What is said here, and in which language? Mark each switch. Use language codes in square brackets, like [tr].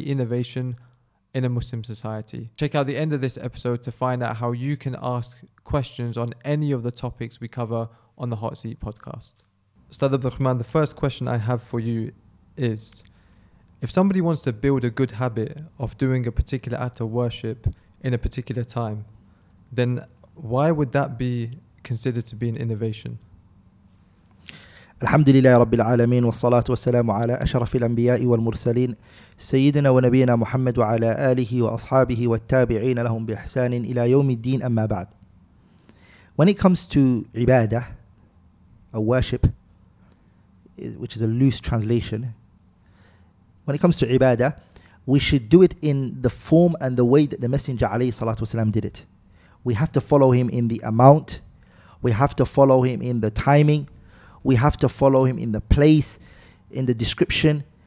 [en] innovation, in a Muslim society. Check out the end of this episode to find out how you can ask questions on any of the topics we cover on the Hot Seat podcast. Ustad Abdul Rahman, the first question I have for you is, if somebody wants to build a good habit of doing a particular act of worship in a particular time, then why would that be considered to be an innovation? [ar] الحمد لله رب العالمين والصلاة والسلام على أشرف الأنبياء والمرسلين سيدنا ونبينا محمد وعلى آله وأصحابه والتابعين لهم بإحسان إلى يوم الدين أما بعد. [en] When it comes to ibadah, a worship, which is a loose translation, when it comes to ibadah, we should do it in the form and the way that the Messenger [ar] عليه الصلاة والسلام [en] did it. We have to follow him in the amount, we have to follow him in the timing, we have to follow him in the place, in the description.